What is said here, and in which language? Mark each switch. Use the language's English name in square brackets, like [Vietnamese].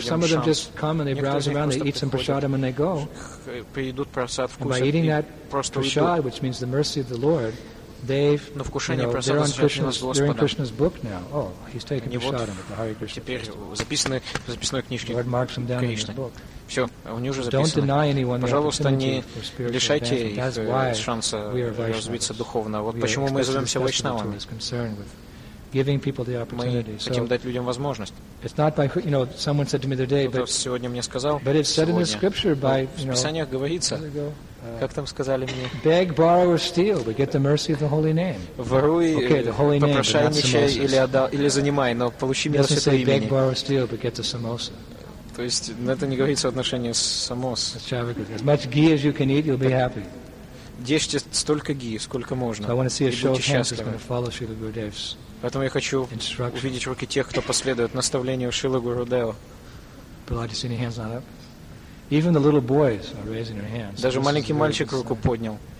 [English] Some of them just come and they browse around, they eat some prasadam and they go. And by eating that prasad, which means the mercy of the Lord, they've, you know, they're on Krishna's, they're in Krishna's book now. Oh, he's taken prasadam at the Hare Krishna. [Russian] Теперь записной книжке. [English] Lord marks them down in the book. [Russian] Все, у них уже записано. Пожалуйста, не лишайте их шанса развиться духовно. Вот почему мы зовемся вайшнавами. [English] Giving people the opportunity. [Russian] Мы хотим дать людям возможность. [English] It's not by, you know, someone said to me the day, but [Russian] сегодня мне сказал. [English] But it's said in the scripture by, you know, [Russian] в Писаниях говорится. Как там сказали мне? [English] Beg, borrow, or steal, we get the mercy of the holy name. [Russian] Воруй, попрошайничай или отдал, или занимай, но получи милость от имени. [English] Beg, borrow, steal, but get the samosa. [Russian] То есть, это не говорится в отношении самос. [English] As much ghee as you can eat, you'll be happy. [Russian] Ешьте столько ги, сколько можно. [English] So I want to see a show of hands that's going to follow Srila Gurudev's. [Russian] Поэтому я хочу увидеть руки тех, кто последует наставлению Шрилы Гурудева. Даже маленький мальчик руку поднял.